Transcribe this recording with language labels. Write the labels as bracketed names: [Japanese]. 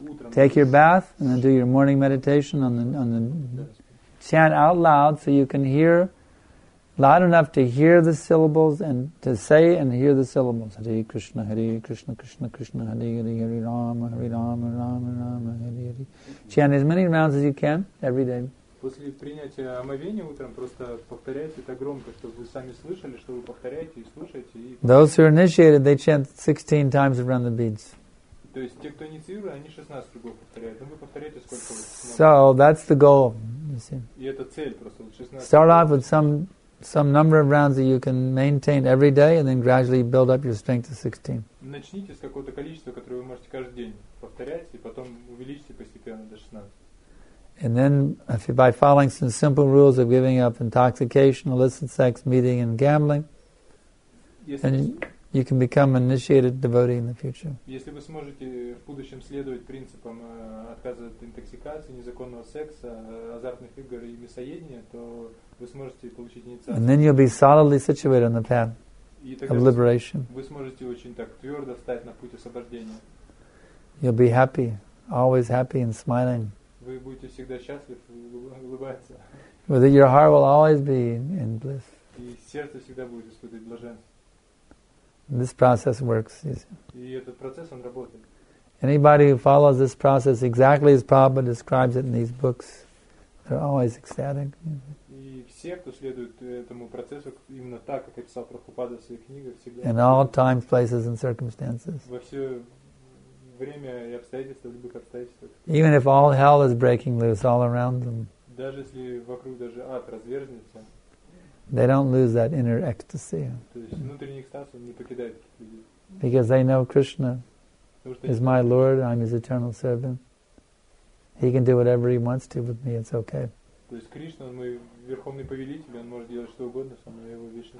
[English] Take your bath and then do your morning meditation on the chant out loud so you can hear loud enough to hear the syllables and to say and hear the syllables. [Sanskrit] Hare Krishna, Hare Krishna, Krishna Krishna, Hare Hare, Hare Rama, Hare Rama, Rama Rama, Hare Hare. [English] Chant as many rounds as you can every day. [Russian] После принятия омовения утром просто повторяйте это громко, чтобы вы сами слышали, что вы повторяете и слушаете. [English] Those who are initiated, they chant 16 times around the beads. [Russian] То есть те, кто инициируют, они 16 кругов повторяют. Но вы повторяете сколько вы сможете. [English] So that's the goal. [Russian] И это цель просто. [English] Start off with some number of rounds that you can maintain every day, and then gradually build up your strength to 16. [Russian] Начните с какого-то количества, которое вы можете каждый день повторять, и потом увеличьте постепенно до 16. [English] And then, if you, by following some simple rules of giving up intoxication, illicit sex, meeting, and gambling, если then you can become an initiated devotee in the future. [Russian] Если вы сможете в будущем следовать принципам отказа от интоксикации, незаконного секса, азартных игр и мясоедения, то вы сможете получить инициацию. [English] And then you'll be solidly situated on the path of liberation. [Russian] Вы сможете очень так твердо встать на путь освобождения. [English] You'll be happy, always happy and smiling. [Russian] Вы будете всегда счастлив и улыбаться. [English] With it, your heart will always be in bliss. [Russian] И сердце всегда будет испытывать блаженство. [English] This process works. [Russian] И этот процесс, он работает. [English] Anybody who follows this process exactly as Prabhupada describes it in these books, they're always ecstatic. [Russian] И все, кто следует этому процессу именно так, как описал Прабхупада в своих книгах, всегда. [English] In all times, places, and circumstances. [Russian] Во все время и обстоятельства, любых обстоятельствах. [English] Even if all hell is breaking loose all around them. [Russian] Даже если вокруг даже ад разверзнется. [English] They don't lose that inner ecstasy. [Russian] То есть внутренний экстаз не покидает людей. [English] Because they know Krishna is my Lord, I'm his eternal servant. He can do whatever he wants to with me, it's okay. [Russian] То есть Кришна, он мой верховный повелитель, он может делать что угодно со мной, его вечно.